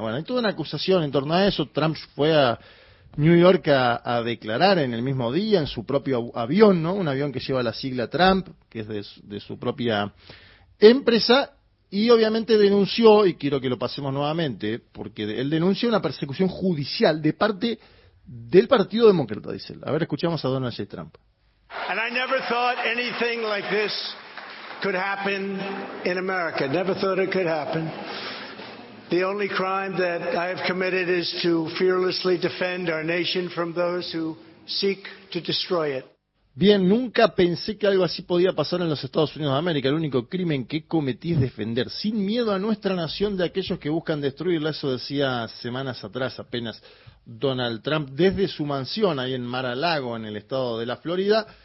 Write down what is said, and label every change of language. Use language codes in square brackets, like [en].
[es] Bueno, hay toda una acusación en torno a eso. Trump fue a New York a declarar en el mismo día, en su propio avión, ¿no? Un avión que lleva la sigla Trump, que es de su propia empresa, y obviamente denunció, y quiero que lo pasemos nuevamente, porque él denunció una persecución judicial de parte del Partido Demócrata, dice él. A ver, escuchamos a Donald J. Trump. [en] And I never thought anything like this could happen in America. Never thought it could happen. The only crime that I have committed is to fearlessly defend our nation from those who seek to destroy it. [es] Bien, nunca pensé que algo así podía pasar en los Estados Unidos de América. El único crimen que cometí es defender sin miedo a nuestra nación de aquellos que buscan destruirla. Eso decía semanas atrás apenas Donald Trump desde su mansión ahí en Mar-a-Lago, en el estado de la Florida.